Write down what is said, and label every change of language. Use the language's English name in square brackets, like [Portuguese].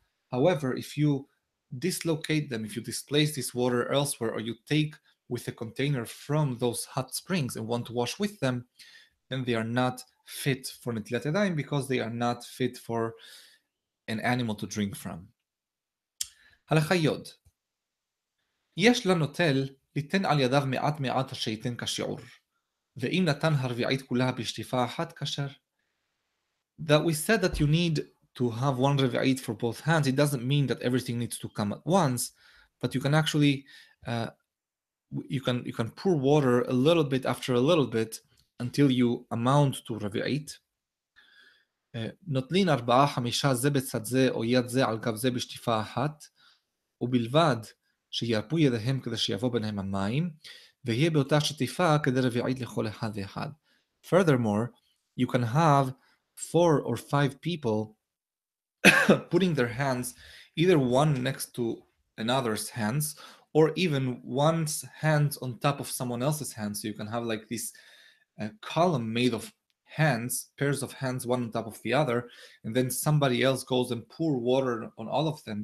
[English] However, if you dislocate them, if you displace this water elsewhere, or you take with a container from those hot springs and want to wash with them, then they are not fit for netilat yadayim, because they are not fit for an animal to drink from. [Hebrew] Halacha yod. Yesh lanotel ליתן על ידיו מעט מעט שייתן כשיעור, ואם נתן הרביעית כולה בשטיפה אחת כשר. [English] That we said that you need to have one רביעית for both hands, it doesn't mean that everything needs to come at once, but you can actually, you can pour water a little bit after a little bit until you amount to רביעית. [Hebrew] נותנין ארבעה חמישה זה בצד זה או יד זה על גב זה בשטיפה אחת, ובלבד שירפו ידיהם כדי שיבוא ביניהם המים, ויהיה באותה שטיפה כדי רביעית לכל אחד ואחד. [English] Furthermore, you can have four or five people putting their hands, either one next to another's hands, or even one's hands on top of someone else's hands. So you can have like this column made of hands, pairs of hands, one on top of the other, and then somebody else goes and pour water on all of them.